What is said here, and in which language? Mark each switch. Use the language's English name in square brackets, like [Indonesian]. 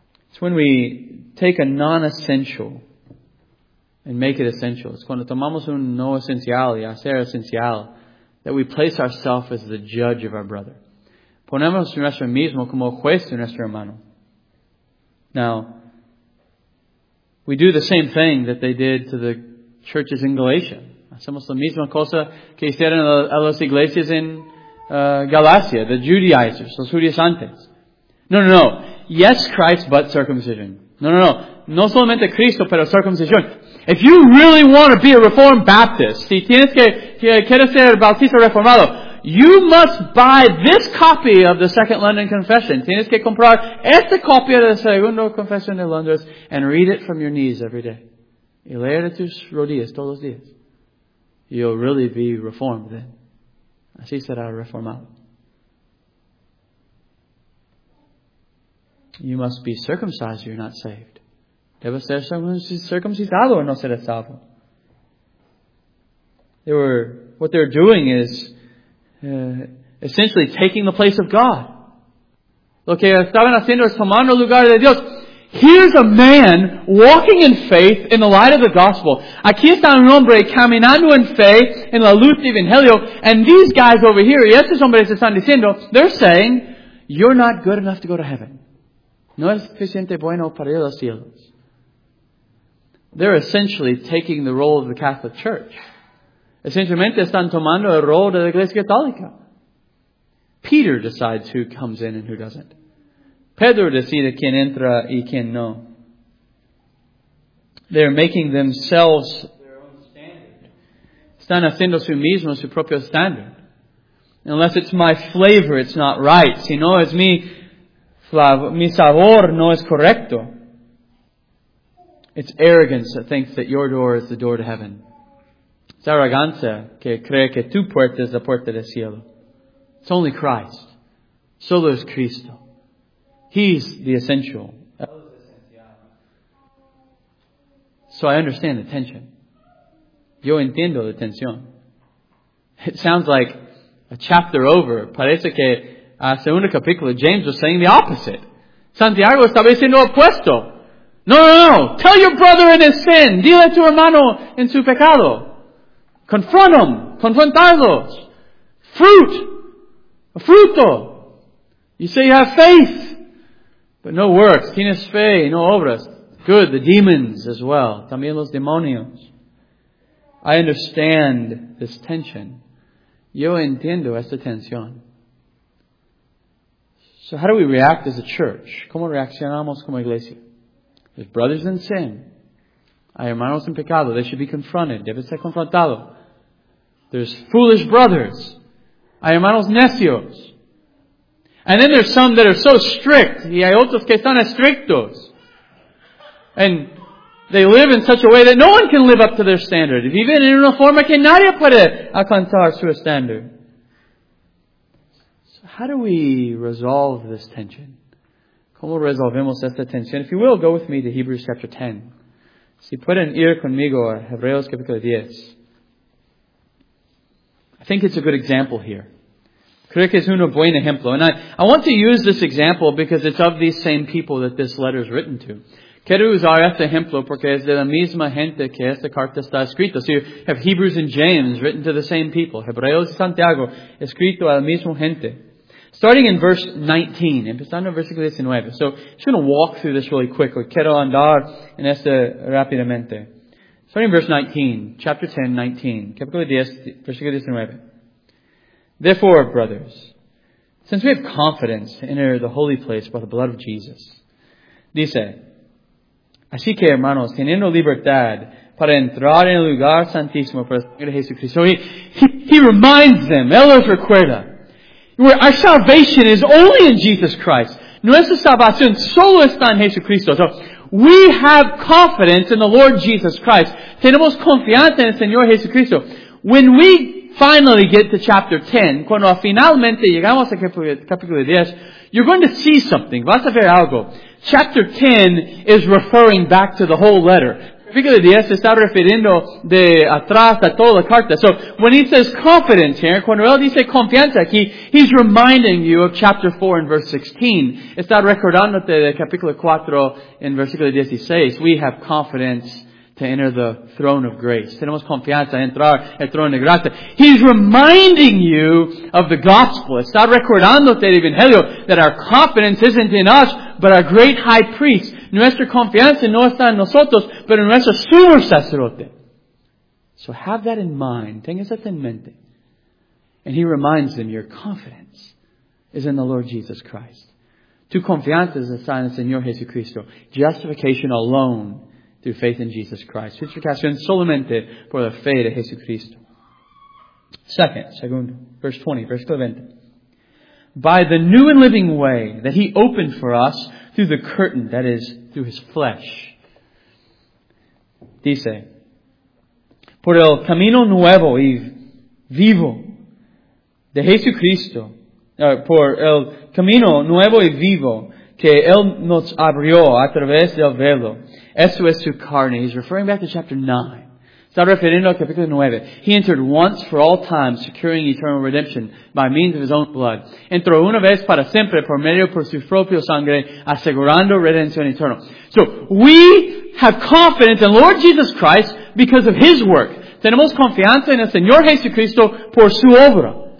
[English] It's when we take a non-essential and make it essential. It's [Spanish] cuando tomamos un no esencial y hacer esencial, [English] that we place ourselves as the judge of our brother. [Spanish] Ponemos nuestro mismo como juez de nuestro hermano. [English] Now, we do the same thing that they did to the churches in Galatia. [Spanish] Hacemos la misma cosa que hicieron a las iglesias en Galacia, [English] the Judaizers, [Spanish] los judaizantes. [English] No. Yes, Christ, but circumcision. No. [Spanish] No solamente Cristo, pero circuncisión. [English] If you really want to be a Reformed Baptist, [Spanish] si tienes que quieres ser bautista reformado, [English] you must buy this copy of the Second London Confession. [Spanish] Tienes que comprar esta copia de la Segunda Confesión de Londres [English] and read it from your knees every day. [Spanish] Y leer de tus rodillas todos los días. [English] You'll really be reformed then. [Spanish] Así será reformado. [English] You must be circumcised or you're not saved. [Spanish] Debe ser circuncidado o no será salvo. [English] What they're doing is essentially taking the place of God. [Spanish] Lo que estaban haciendo es tomando el lugar de Dios. [English] Here's a man walking in faith in the light of the gospel. [Spanish] Aquí está un hombre caminando en fe en la luz del evangelio. [English] And these guys over here, [Spanish] y estos hombres están diciendo, [English] they're saying, you're not good enough to go to heaven. [Spanish] No es suficiente bueno para ir a los cielos. [English] They're essentially taking the role of the Catholic Church. [Spanish] Esencialmente están tomando el rol de la Iglesia Católica. [English] Peter decides who comes in and who doesn't. [Spanish] Pedro decide quién entra y quién no. [English] They're making themselves their own standard. [Spanish] Están haciendo su mismo su propio standard. [English] Unless it's my flavor, it's not right. [Spanish] Si no es mi sabor, no es correcto. [English] It's arrogance that thinks that your door is the door to heaven. [Spanish] It's arrogancia que cree que tu puerta es la puerta del cielo. [English] It's only Christ. [Spanish] Solo es Cristo. [English] He's the essential. So I understand the tension. [Spanish] Yo entiendo la tensión. [English] It sounds like a chapter over. [Spanish] Parece que a segundo capítulo [English] James was saying the opposite. [Spanish] Santiago estaba diciendo opuesto. No. [English] Tell your brother in his sin. [Spanish] Dile a tu hermano en su pecado. [English] Confront him. [Spanish] Confrontarlos. [English] Fruit. [Spanish] A fruto. [English] You say you have faith. But no works. [Spanish] Tienes fe y no obras. [English] Good. The demons as well. [Spanish] También los demonios. [English] I understand this tension. [Spanish] Yo entiendo esta tensión. [English] So how do we react as a church? [Spanish] ¿Cómo reaccionamos como iglesia? [English] If brothers in sin, [Spanish] hay hermanos en pecado, [English] they should be confronted. [Spanish] Debe ser confrontado. [English] There's foolish brothers. [Spanish] Hay hermanos necios. [English] And then there's some that are so strict. [Spanish] Y hay otros que están estrictos. [English] And they live in such a way that no one can live up to their standard. [Spanish] Viven en una forma que nadie puede alcanzar su standard. [English] So how do we resolve this tension? [Spanish] ¿Cómo resolvemos esta tensión? [English] If you will, go with me to Hebrews chapter 10. [Spanish] Si pueden ir conmigo a Hebreos capítulo 10. [English] I think it's a good example here. [Spanish] Creo que es un buen ejemplo. [English] And I want to use this example because it's of these same people that this letter is written to. [Spanish] Quiero usar este ejemplo porque es de la misma gente que esta carta está escrita. [English] So you have Hebrews and James written to the same people. [Spanish] Hebreos y Santiago escrito a la misma gente. [English] Starting in verse 19, [Spanish] empezando en versículo 19. [English] So, I'm just going to walk through this really quickly. [Spanish] Quiero andar en este rápidamente. [English] Starting in verse 19, chapter 10, 19. [Spanish] Capítulo 10, versículo 19. [English] Therefore, brothers, since we have confidence to enter the holy place by the blood of Jesus, [Spanish] dice, así que hermanos, teniendo libertad para entrar en el lugar santísimo por la sangre de Jesucristo. [English] So he reminds them, [Spanish] él los recuerda. [English] Our salvation is only in Jesus Christ. [Spanish] Nuestra salvación solo está en Jesucristo. [English] So, We have confidence in the Lord Jesus Christ. [Spanish] Tenemos confianza en el Señor Jesucristo. [English] When we finally get to chapter 10, [Spanish] cuando finalmente llegamos a capítulo 10, [English] you're going to see something. [Spanish] Vas a ver algo. [English] Chapter 10 is referring back to the whole letter. [Spanish] Capítulo 10 se está refiriendo de atrás a toda la carta. [English] So, when he says confidence here, [Spanish] cuando él dice confianza aquí, [English] he's reminding you of chapter 4 and verse 16. [Spanish] Está recordándote de capítulo 4 en versículo 16. [English] We have confidence to enter the throne of grace. [Spanish] Tenemos confianza en entrar al trono de gracia. [English] He's reminding you of the gospel. [Spanish] Está recordándote del evangelio, [English] that our confidence isn't in us, but our great high priest. [Spanish] Nuestra confianza no está en nosotros, pero en nuestro sumo sacerdote. [English] So have that in mind. [Spanish] Tenga eso en mente. [English] And he reminds them, your confidence is in the Lord Jesus Christ. [Spanish] Tu confianza está en el Señor Jesucristo. [English] Justification alone through faith in Jesus Christ. [Spanish] Justificación solamente por la fe de Jesucristo. [English] Second, verse 20, verse 20. By the new and living way that he opened for us through the curtain, that is, through his flesh. [Spanish] Dice, por el camino nuevo y vivo de Jesucristo, por el camino nuevo y vivo que él nos abrió a través del velo. Esto es su carne. [English] He's referring back to chapter 9. [Spanish] Está refiriendo al capítulo 9. [English] He entered once for all time, securing eternal redemption by means of his own blood. [Spanish] Entró una vez para siempre por medio por su propio sangre, asegurando redención eterna. [English] So, we have confidence in Lord Jesus Christ because of his work. [Spanish] Tenemos confianza en el Señor Jesucristo por su obra.